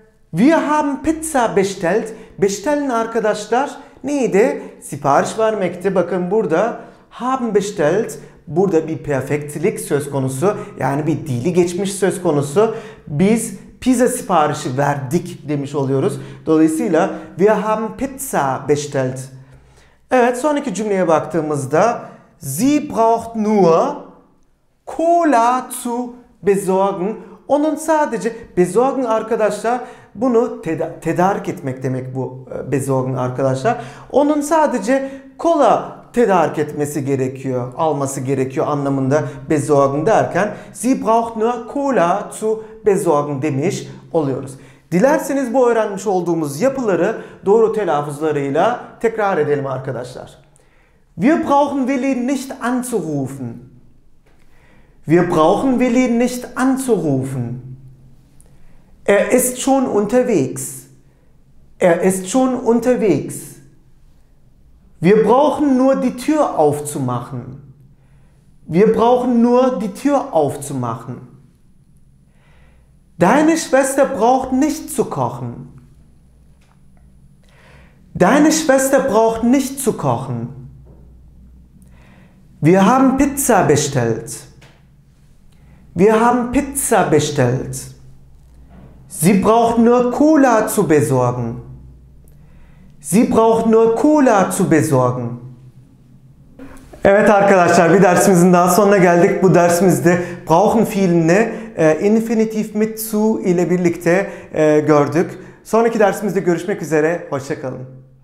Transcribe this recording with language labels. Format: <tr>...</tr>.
<de>Wir haben Pizza bestellt.</de> <tr>Bestellen arkadaşlar neydi? Sipariş vermekti. Bakın burada</tr> <de>haben bestellt.</de> <tr>Burada bir perfektlik söz konusu. Yani bir dili geçmiş söz konusu. Biz pizza siparişi verdik demiş oluyoruz. Dolayısıyla</tr> <de>wir haben Pizza bestellt.</de> <tr>Evet, sonraki cümleye baktığımızda</tr> <de>sie braucht nur Cola zu besorgen.</de> <tr>Onun sadece besorgen arkadaşlar, bunu tedarik etmek demek bu besorgen arkadaşlar. Onun sadece kola tedarik etmesi gerekiyor, alması gerekiyor anlamında besorgen derken</tr> <de>sie braucht nur Cola zu besorgen</de> <tr>demiş oluyoruz. Dilerseniz bu öğrenmiş olduğumuz yapıları doğru telaffuzlarıyla tekrar edelim arkadaşlar.</tr> <de>Wir brauchen Willi nicht anzurufen. Wir brauchen Willi nicht anzurufen. Er ist schon unterwegs. Er ist schon unterwegs. Wir brauchen nur die Tür aufzumachen. Wir brauchen nur die Tür aufzumachen. Deine Schwester braucht nicht zu kochen. Deine Schwester braucht nicht zu kochen. Wir haben Pizza bestellt. Wir haben Pizza bestellt. Sie braucht nur Cola zu besorgen. Sie braucht nur Cola zu besorgen.</de> <tr>Evet arkadaşlar, bir dersimizin daha sonuna geldik. Bu dersimizde brauchen fiilini infinitif mit zu ile birlikte gördük. Sonraki dersimizde görüşmek üzere. Hoşça kalın.</tr>